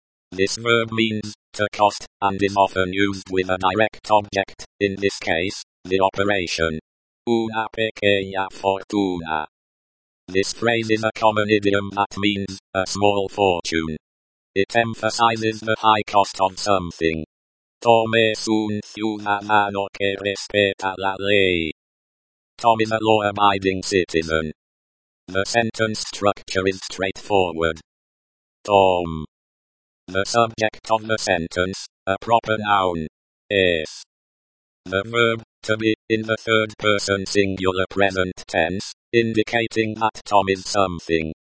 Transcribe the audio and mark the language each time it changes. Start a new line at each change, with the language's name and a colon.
English: This verb means, to cost, and is often used with a direct object, in this case, the operation.
Spanish: Una pequeña fortuna.
English: This phrase is a common idiom that means, a small fortune. It emphasizes the high cost of something.
Spanish: Tom es un ciudadano que respeta la ley.
English: Tom is a law-abiding citizen. The sentence structure is straightforward. Tom. The subject of the sentence, a proper noun. Es. The verb, to be, in the third person singular present tense, indicating that Tom is something.